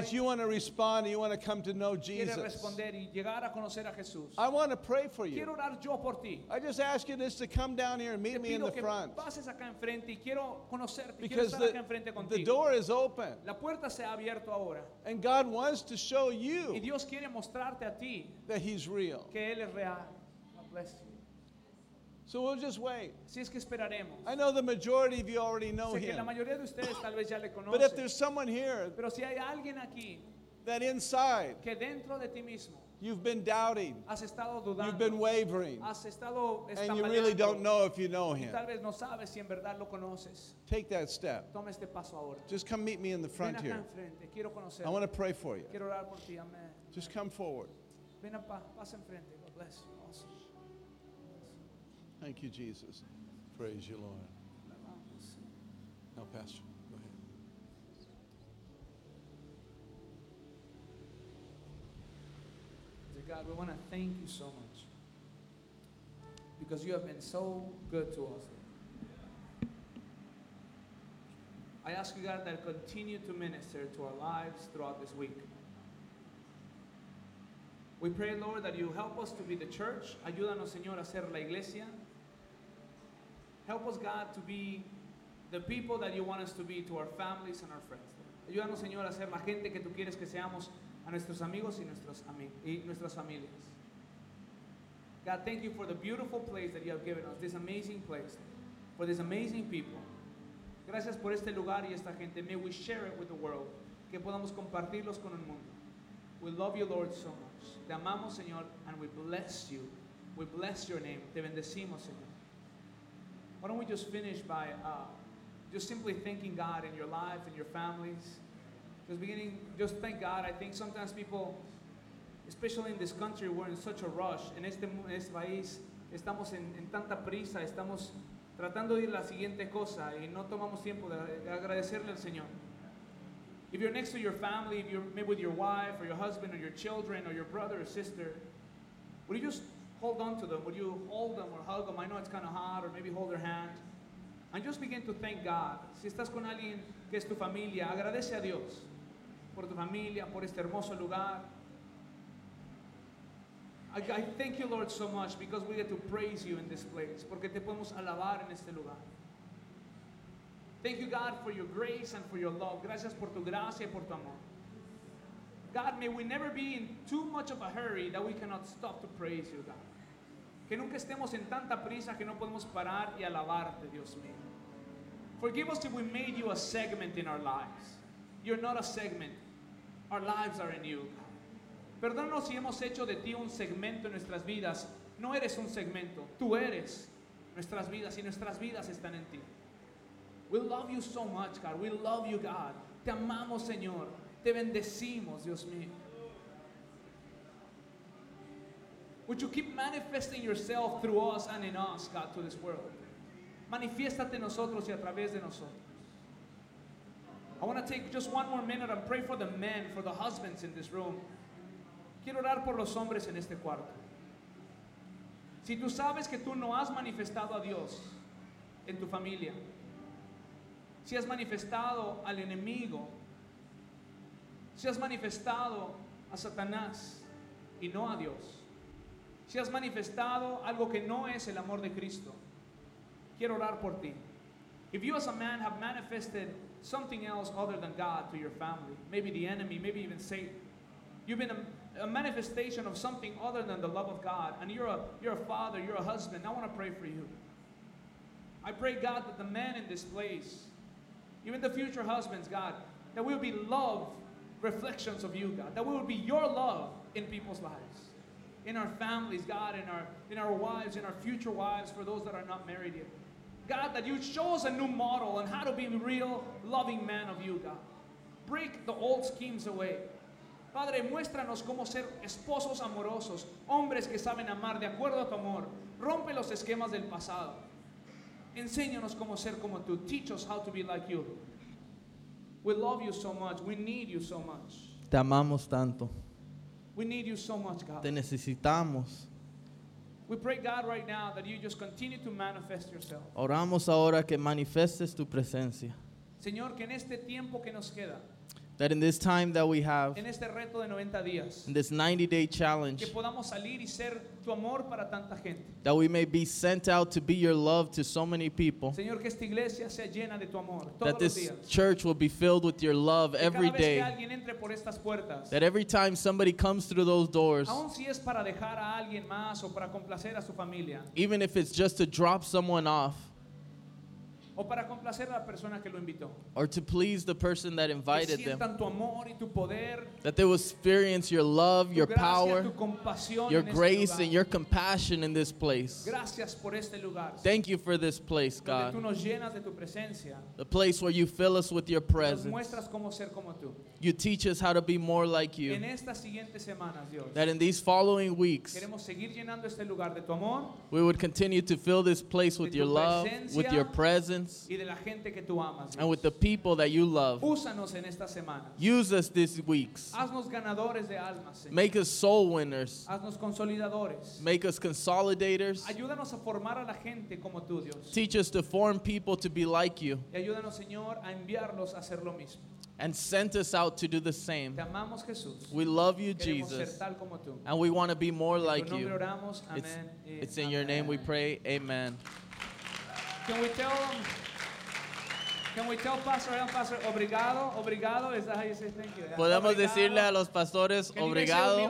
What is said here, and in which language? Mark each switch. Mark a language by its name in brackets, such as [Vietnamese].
[English] that you want to respond and you want to come to know Jesus, [Spanish] quieres responder y llegar a conocer a Jesús, [English] I want to pray for you. [Spanish] Quiero orar yo por ti. [English] I just ask you this to come down here and meet [Spanish] te pido [English] me in the front. [Spanish] Pases acá enfrente y quiero conocerte, [English] because [Spanish] quiero estar acá enfrente contigo. [English] The door is open. [Spanish] La puerta se ha abierto ahora. [English] And God wants to show you [Spanish] y Dios quiere mostrarte a ti [English] that He's real. [Spanish] Que Él es real. [English] God bless you. So we'll just wait. [Spanish] Si es que esperaremos. [English] I know the majority of you already know [Spanish] sé que [English] him. [Spanish] La mayoría de ustedes, tal vez ya le conocen. [English] But if there's someone here [Spanish] pero si hay alguien aquí, [English] that inside [Spanish] que dentro de ti mismo, [English] you've been doubting, [Spanish] has estado dudando, [English] you've been wavering, [Spanish] has estado estampaleando, [English] and you really don't know if you know him. [Spanish] Y tal vez no sabes si en verdad lo conoces. [English] Take that step. [Spanish] Toma este paso ahora. [English] Just come meet me in the front [Spanish] ven [English] here. [Spanish] Acá enfrente. Quiero conocerte. [English] I want to pray for you. [Spanish] Quiero orar por ti. Amen. [English] Just come forward. [Spanish] Ven a paso enfrente. [English] God bless you. Awesome. Thank you, Jesus. Praise you, Lord. Now, Pastor. God, we want to thank you so much because you have been so good to us. I ask you, God, that continue to minister to our lives throughout this week. We pray, Lord, that you help us to be the church. [Spanish] Ayúdanos, Señor, a ser la iglesia. [English] Help us, God, to be the people that you want us to be to our families and our friends. [Spanish] Ayúdanos, Señor, a ser la gente que tú quieres que seamos a nuestros amigos y nuestras familias. [English] God, thank you for the beautiful place that you have given us, this amazing place, for these amazing people. [Spanish] Gracias por este lugar y esta gente. [English] May we share it with the world, [Spanish] que podamos compartirlos con el mundo. [English] We love you, Lord, so much. [Spanish] Te amamos, Señor, [English] and we bless you. We bless your name. [Spanish] Te bendecimos, Señor. [English] Why don't we just finish by just simply thanking God in your life, in your families. Just beginning, just thank God. I think sometimes people, especially in this country, we're in such a rush. [Spanish] En este país, estamos en tanta prisa. Estamos tratando de ir la siguiente cosa y no tomamos tiempo de agradecerle al Señor. [English] If you're next to your family, if you're maybe with your wife or your husband or your children or your brother or sister, would you just hold on to them? Would you hold them or hug them? I know it's kind of hot, or maybe hold their hand. And just begin to thank God. [Spanish] Si estás con alguien que es tu familia, agradece a Dios por tu familia, por este hermoso lugar. [English] I thank you, Lord, so much because we get to praise you in this place, [Spanish] porque te podemos alabar en este lugar. [English] Thank you, God, for your grace and for your love. [Spanish] Gracias por tu gracia y por tu amor. [English] God, may we never be in too much of a hurry that we cannot stop to praise you, God. [Spanish] Que nunca estemos en tanta prisa que no podemos parar y alabarte, Dios mío. [English] Forgive us if we made you a segment in our lives. You're not a segment. Our lives are in you. [Spanish] Perdónanos si hemos hecho de ti un segmento en nuestras vidas. No eres un segmento. Tú eres nuestras vidas y nuestras vidas están en ti. [English] We love you so much, God. We love you, God. [Spanish] Te amamos, Señor. Te bendecimos, Dios mío. [English] Would you keep manifesting yourself through us and in us, God, to this world? [Spanish] Manifiéstate en nosotros y a través de nosotros. [English] I want to take just one more minute and pray for the men, for the husbands in this room. [Spanish] Quiero orar por los hombres en este cuarto. Si tú sabes que tú no has manifestado a Dios en tu familia, si has manifestado al enemigo, si has manifestado a Satanás y no a Dios, si has manifestado algo que no es el amor de Cristo, quiero orar por ti. [English] If you as a man have manifested something else other than God to your family, maybe the enemy, maybe even Satan, you've been a manifestation of something other than the love of God, and you're a father, you're a husband, I want to pray for you. I pray, God, that the men in this place, even the future husbands, God, that we'll be love reflections of you, God, that we will be your love in people's lives, in our families, God, in our wives, in our future wives, for those that are not married yet. God, that you show us a new model on how to be a real loving man of you, God. Break the old schemes away. [Spanish] Padre, muéstranos cómo ser esposos amorosos, hombres que saben amar de acuerdo a tu amor. Rompe los esquemas del pasado. Enséñanos cómo ser como tú. [English] Teach us how to be like you. We love you so much. We need you so much. [Spanish] Te amamos tanto. [English] We need you so much, God. [Spanish] Te necesitamos. [English] We pray, God, right now that you just continue to manifest yourself. [Spanish] Oramos ahora que manifiestes tu presencia. Señor, que en este tiempo que nos queda, [English] that in this time that we have, [Spanish] en este reto de 90 días, [English] in this 90-day challenge, [Spanish] que podamos salir y ser tu amor para tanta gente, [English] that we may be sent out to be your love to so many people. [Spanish] Señor, que esta iglesia sea llena de tu amor todos los días. [English] That this [Spanish] días. [English] Church will be filled with your love [Spanish] que [English] every day. [Spanish] Cada vez que alguien entre por estas puertas, [English] that every time somebody comes through those doors, [Spanish] aun si es para dejar a alguien más o para complacer a su familia, [English] even if it's just to drop someone off, [Spanish] o para complacer a la persona que lo invitó. [English] Or to please the person that invited [Spanish] que sientan [English] them. [Spanish] Tu amor y tu poder, [English] that they will experience your love, [Spanish] tu [English] your [Spanish] gracia, [English] power, [Spanish] tu compasión [English] your [Spanish] en [English] grace [Spanish] este lugar. [English] And your compassion in this place. [Spanish] Gracias por este lugar, [English] thank you for this place, God. [Spanish] Donde tú nos llenas de tu presencia, [English] the place where you fill us with your presence. [Spanish] Nos muestras cómo ser como tú. [English] You teach us how to be more like you. [Spanish] En estas siguientes semanas, Dios, [English] that in these following weeks, [Spanish] queremos seguir llenando este lugar de tu amor, [English] we would continue to fill this place with your love, with your presence, [Spanish] y de la gente que tú amas, [English] and with the people that you love. [Spanish] Úsanos en estas semanas. [English] Use us these weeks. [Spanish] Haznos ganadores de almas, Señor. [English] Make us soul winners. [Spanish] Haznos consolidadores. [English] Make us consolidators. [Spanish] Ayúdanos a formar a la gente como tú, Dios. [English] Teach us to form people to be like you. [Spanish] Y ayúdanos, Señor, a enviarlos a hacer lo mismo. [English] And sent us out to do the same. [Spanish] Te amamos, Jesús. [English] We love you, Jesus. [Spanish] Queremos ser tal como tú. [English] And we want to be more [Spanish] en tu [English] like [Spanish] nombre [English] you. [Spanish] Oramos. [English] It's, amen. It's in amen. Your name we pray. Amen. Can we tell Pastor [Spanish] El Pastor [Portuguese] obrigado? Obrigado? [English] Is that how you say thank you? [Spanish] Podemos [Portuguese] obrigado. [Spanish] Decirle a los pastores [Portuguese] obrigado.